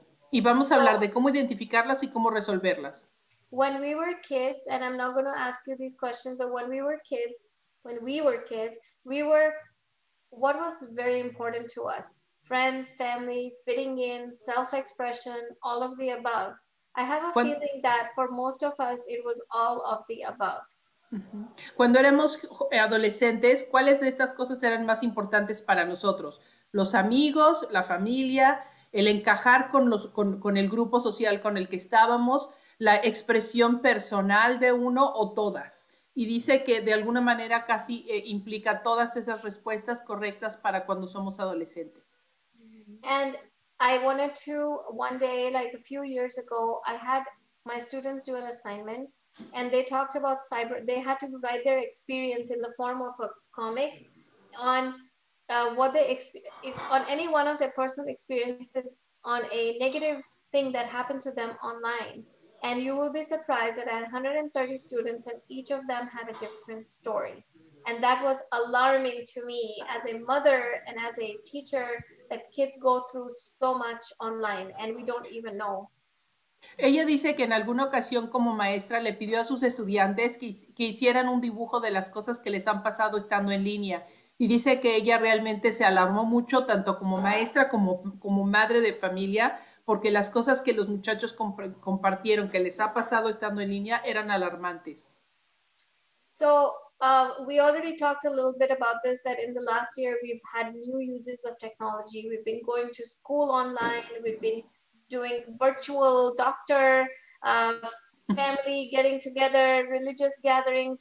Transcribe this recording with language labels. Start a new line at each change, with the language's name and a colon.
Spanish: Y vamos a hablar de cómo identificarlas y cómo resolverlas.
English: When we were kids, and I'm not going to ask you these questions, but when we were kids, what was very important to us? Friends, family, fitting in, self-expression, all of the above. I have a feeling that for most of us, it was all of the above.
Spanish: Cuando éramos adolescentes, ¿cuáles de estas cosas eran más importantes para nosotros? Los amigos, la familia, el encajar con el grupo social con el que estábamos, la expresión personal de uno o todas. Y dice que de alguna manera casi implica todas esas respuestas correctas para cuando somos adolescentes.
English: And I wanted to, one day, like a few years ago, I had my students do an assignment and they talked about cyber, they had to write their experience in the form of a comic on what they, if on any one of their personal experiences on a negative thing that happened to them online. And you will be surprised that I had 130 students and each of them had a different story. And that was alarming to me as a mother and as a teacher, that kids go through so much online and we don't even know.
Spanish: Ella dice que en alguna ocasión como maestra le pidió a sus estudiantes que hicieran un dibujo de las cosas que les han pasado estando en línea. Y dice que ella realmente se alarmó mucho tanto como maestra como, como madre de familia, porque las cosas que los muchachos compartieron que les ha pasado estando en línea eran alarmantes.
English: So, we already talked a little bit about this, that in the last year we've had new uses of technology. We've been going to school online. We've been doing virtual doctor, family getting together, religious gatherings.